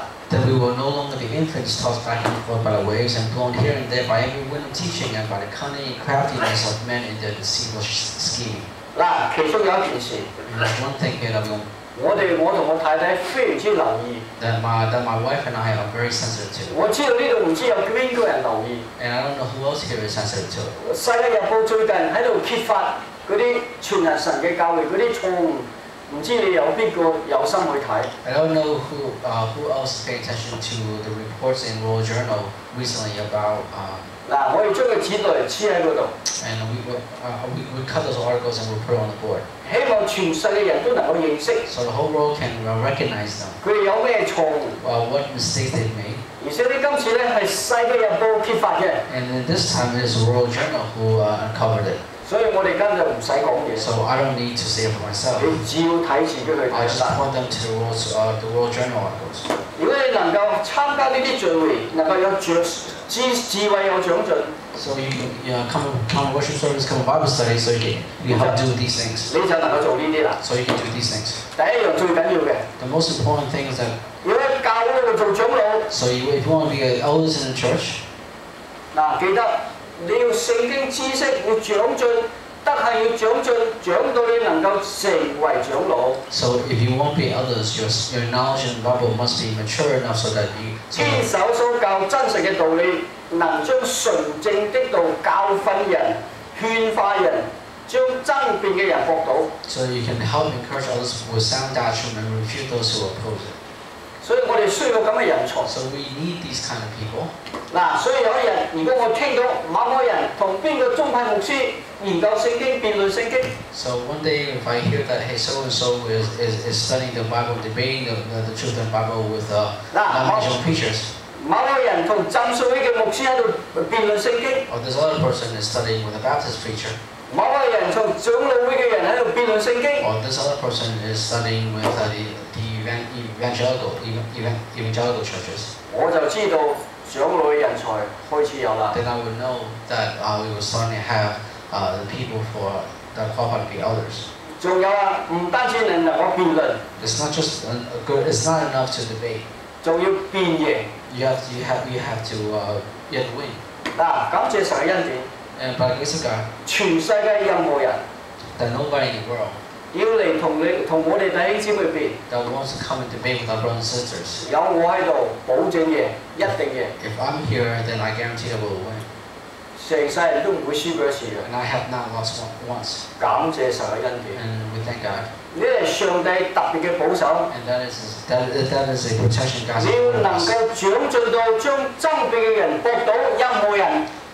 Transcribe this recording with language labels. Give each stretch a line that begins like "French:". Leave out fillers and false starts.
English: Then we will no longer be infants tossed back and forth by the waves and blown here and there by every wind of teaching and by the cunning and craftiness of men in their deceitful scheming.
Cantonese: 嗱，其中有一件事。
English: One thing here that
Cantonese: 我同我太太非常之留意。
English: That my wife and I are very sensitive to.
Cantonese: 我知道呢度唔知有邊個人留意。
English: And I don't know who else here is sensitive to.
Cantonese: 世界日報最近喺度揭發嗰啲全人神嘅教會嗰啲錯誤。唔知你有邊個有心去睇
English: ？I don't know who else pay attention to the reports in World Journal recently about
Cantonese: 嗱，我哋將佢剪落嚟黐喺嗰度。
English: And we cut those articles and we put on the board。
Cantonese: 希望全世界人都能夠認識。
English: So the whole world can recognize them。
Cantonese: 佢有咩錯誤
English: ？What mistakes they made？
Cantonese: 而且咧，今次咧係《世界日報》揭發嘅。
English: And this time it's World Journal who uncovered it。
Cantonese: 所以我哋今日唔使講嘢。
English: So I don't need to say it for myself.
Cantonese: 你只要睇住佢去睇。
English: I just point them to the World Journal articles.
Cantonese: 如果你能夠參加呢啲聚會，能夠有智慧有長進。
English: So you come worship service, come Bible study, so you have to do these things.
Cantonese: 你就能夠做呢啲啦。
English: So you can do these things.
Cantonese: 第一樣最緊要嘅。
English: The most important thing is that.
Cantonese: 如果教會度做長老。
English: So if you want to be an elder in the church.
Cantonese: 嗱，記得。你要聖經知識要長進，德行要長進，長到你能夠成為長老。
English: So if you want to be elders, your knowledge and Bible must be mature enough so that you
Cantonese: 堅守所教真實嘅道理，能將純正的道教訓人、勸化人，將爭辯嘅人駁倒。
English: So you can help encourage others with sound doctrine and refute those who oppose it.
Cantonese: 所以我哋需要咁嘅人才。
English: So we need these kind of people.
Cantonese: 嗱，所以有啲人，如果我聽到某個人同邊個宗派牧師研究聖經、辯論聖經。
English: So one day if I hear that hey so and so is studying the Bible, debating the truth of the Bible with non-Christian preachers.
Cantonese: 某個人同浸信會嘅牧師喺度辯論聖經。
English: Or this other person is studying with a Baptist preacher.
Cantonese: 某個人從長老會嘅人喺度辯論聖經。
English: Or this other person is studying with the evangelical churches.
Cantonese: 我就知道長老嘅人才開始有啦。
English: Then I would know that we will suddenly have the people for the qualified to be elders.
Cantonese: 仲有啊，唔單止能夠辯論。
English: It's not just a good. It's not enough to debate.
Cantonese: 仲要辯嘢。
English: You have to win.
Cantonese: 嗱，感謝神嘅恩典。
English: And by the grace of God,
Cantonese: 全世界任何人
English: that nobody in the world
Cantonese: 要嚟同我哋弟兄姊妹辩
English: that wants to come and debate with our brothers and sisters.
Cantonese: 有我喺度，保证嘅，一定嘅。
English: If I'm here, then I guarantee I will win.
Cantonese: 成世人都唔会输过一次嘅。
English: And I have not lost once.
Cantonese: 感谢神嘅恩典。
English: And we thank God.
Cantonese: 呢系上帝特别嘅保守。
English: And that is a protection God's given us.
Cantonese: 你能够掌进到将争辩嘅人驳倒任何人。